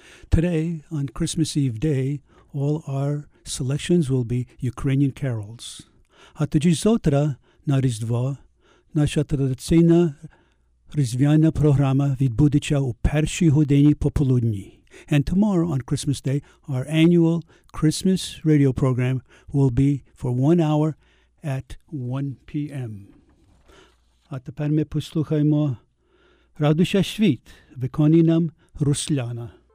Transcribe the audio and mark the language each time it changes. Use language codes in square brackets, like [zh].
[en] Today, on Christmas Eve Day, all our selections will be Ukrainian carols. [uk] А тоді завтра на Різдво наша традиційна різдвяна програма відбудеться у першій годині пополудні. [en] And tomorrow, on Christmas Day, our annual Christmas radio program will be for 1 hour at 1 p.m. [uk] А тепер ми послухаємо Радуша Швіт, виконує нам Русляна.